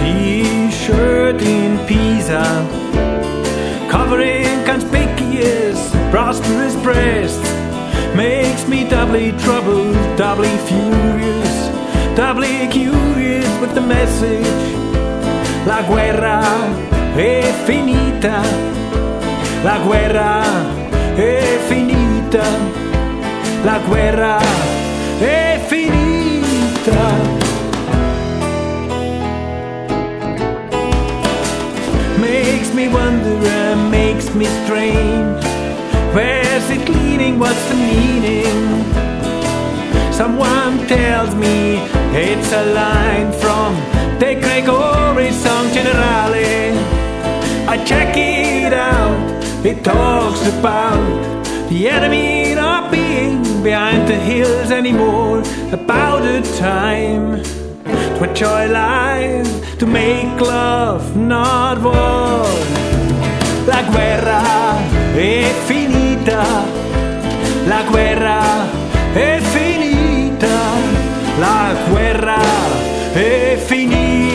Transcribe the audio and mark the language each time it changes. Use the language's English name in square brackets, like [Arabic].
[English] letter, covering conspicuous prosperous breast, makes me doubly troubled, doubly furious, doubly curious with the message. [Italian] La guerra è finita, la guerra è finita, la guerra è finita. [English] Makes me wonder and makes me strange, where's it leading, what's the meaning? Someone tells me it's a line from De Gregori's song Generale. I check it out, it talks about the enemy not being behind the hills anymore, about a time to enjoy life, to make love, not war. [Italian] La guerra è finita, la guerra è finita, la guerra è finita.